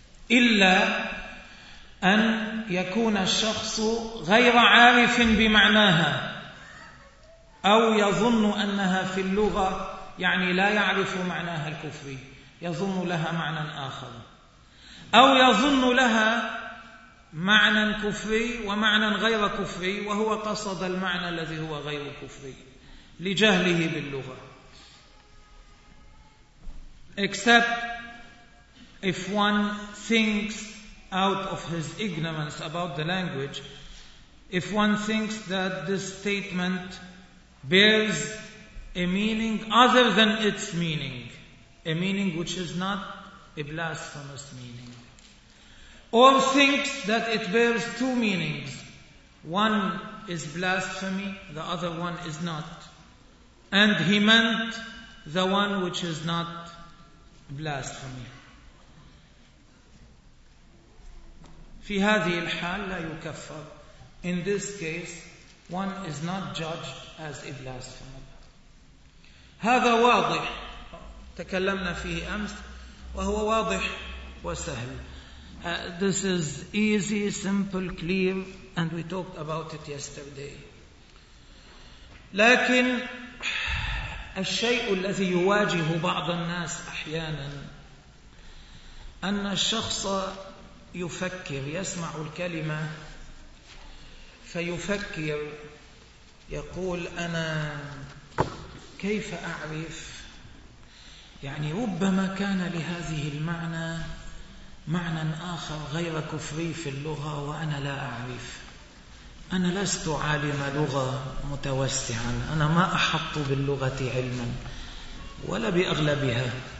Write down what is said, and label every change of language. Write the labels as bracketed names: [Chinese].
[Arabic] إلا أن يكون الشخص غير عارف بمعناها أو يظن أنها في اللغة، يعني لا يعرف معناها الكفري، يظن لها معنى آخر، أو يظن لها معنى كفري ومعنى غير كفري وهو قصد المعنى الذي هو غير كفري لجهله باللغة. [English] Except if one thinks out of his ignorance about the language, if one thinks that this statement bears a meaning other than its meaning, a meaning which is not a blasphemous meaning, or thinks that it bears two meanings, one is blasphemy, the other one is not, and he meant the one which is not blasphemy. [Arabic] في هذه الحال لا يكفر [English] In this case, one is not judged as a blasphemer. [Arabic] هذا واضح. تكلمنا فيه أمس وهو واضح وسهل. [English] This is easy, simple, clear, and we talked about it yesterday. [Arabic] لكن الشيء الذي يواجه بعض الناس أحيانا أن الشخص يفكر يسمع الكلمة فيفكر يقول أنا كيف أعرف، يعني ربما كان لهذه المعنى معنى آخر غير كفري في اللغة وأنا لا أعرف، أنا لست عالم لغة متوسعا، أنا ما أحط باللغة علما ولا بأغلبها.